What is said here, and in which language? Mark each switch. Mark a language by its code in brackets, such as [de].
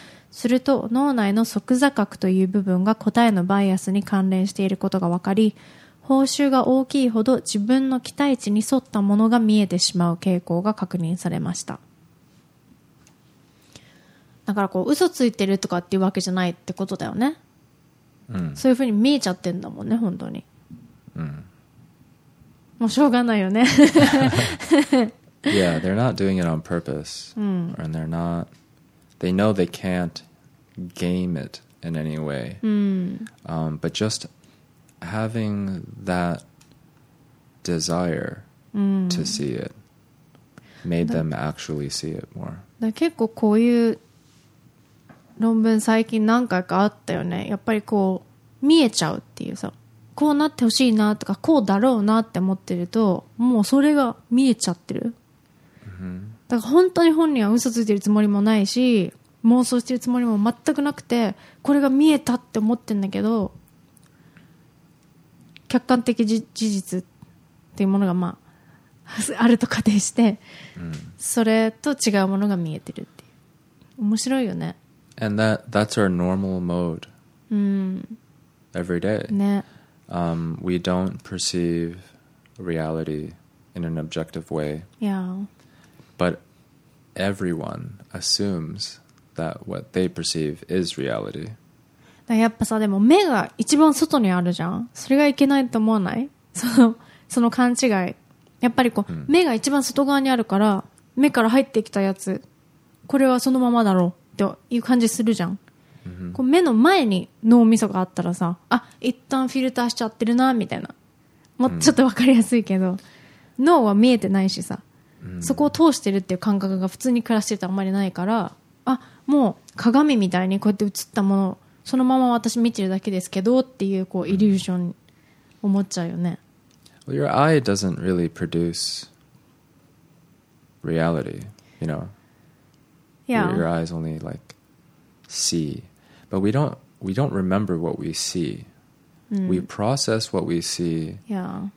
[ja] すると脳内の側坐核という部分が答えのバイアスに関連していることが分かり、報酬が大きいほど自分の期待値に沿ったものが見えてしまう傾向が確認されました。だからこう嘘ついてるとかっていうわけじゃないってことだよね。うん、そういうふうに見えちゃってんだもんね、本当に。うん、もうしょうがないよね。 [en] Yeah, they're not doing it on purpose. And they're not... They know they can't game it in any way. But just having that desire to see it made them actually see it more. [ja] 結構こういう論文最近何回かあったよね。やっぱりこう見えちゃうっていうさ、こうなってほしいなとかこうだろうなって思ってると、もうそれが見えちゃってる。だから本当に本人は嘘ついてるつもりもないし、妄想してるつもりも全くなくて、これが見えたって思ってんだけど、客観的事実っていうものがまああると仮定して、それと違うものが見えてるっていう、面白いよね。 [en] And that's our normal mode every day. We don't perceive reality in an objective way. Yeah. But everyone assumes that what they perceive is reality. [ja] やっぱさ、でも目が一番外にあるじゃん。それがいけないと思わない？その勘違い。やっぱりこう、目が一番外側にあるから、目から入ってきたやつ、これはそのままだろう。という感じするじゃん。こう目の前に脳みそがあったらさ、あ、一旦フィルターしちゃってるなみたいな、もうちょっと分かりやすいけど、脳は見えてないしさ、そこを通してるっていう感覚が普通に暮らしてるとあんまりないから、あ、もう鏡みたいにこうやって映ったものそのまま私見てるだけですけどっていう、こうイリュージョン思っちゃうよね。 [en] Well, your eye doesn't really produce reality, you know. Yeah. Your eyes only like see, but we don't remember what we see. We process what we see, yeah,